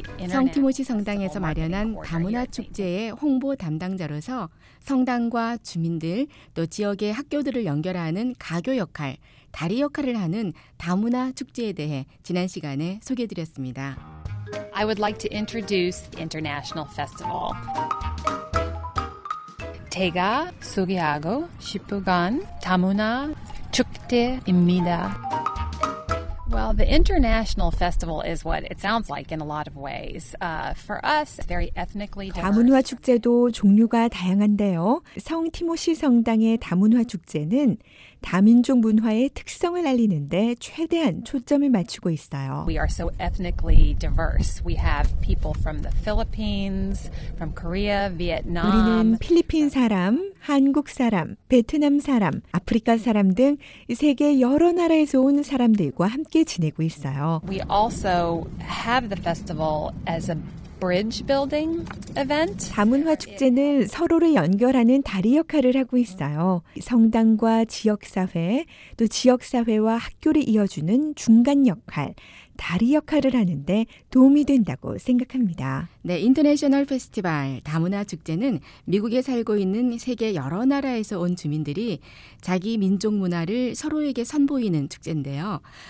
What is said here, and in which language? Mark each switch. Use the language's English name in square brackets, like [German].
[Korean] 성티모시 성당에서 마련한 다문화 축제의 홍보 담당자로서 성당과 주민들 또 지역의 학교들을 연결하는 가교 역할, 다리 역할을 하는 다문화 축제에 대해 지난 시간에 소개해드렸습니다. [English] I would like to introduce the International Festival. [Korean] 제가 소개하고 싶은 다문화 축제입니다. [English] Well, the International Festival is what it sounds like in a lot of ways. For us, very ethnically diverse. [Korean] 다문화 축제도 종류가 다양한데요. 성 티모시 성당의 다문화 축제는 다민족 문화의 특성을 알리는데 최대한 초점을 맞추고 있어요. [English] We are so ethnically diverse. We have people from the Philippines, from Korea, Vietnam. [Korean] 우리는 필리핀 사람, 한국 사람, 베트남 사람, 아프리카 사람 등 세계 여러 나라에서 온 사람들과 함께 지내고 있어요. [English] We also have the festival as a bridge building event. [Korean] 다문화 축제는 서로를 연결하는 다리 역할을 하고 있어요. 성당과 지역사회, 또 지역사회와 학교를 이어주는 중간 역할, 다리 역할을 하는데 도움이 된다고 생각합니다. 네, 인터내셔널 페스티벌 다문화 축제는 미국에 살고 있는 세계 여러 나라에서 온 주민들이 자기 민족 문화를 서로에게 선보이는 축제인데요.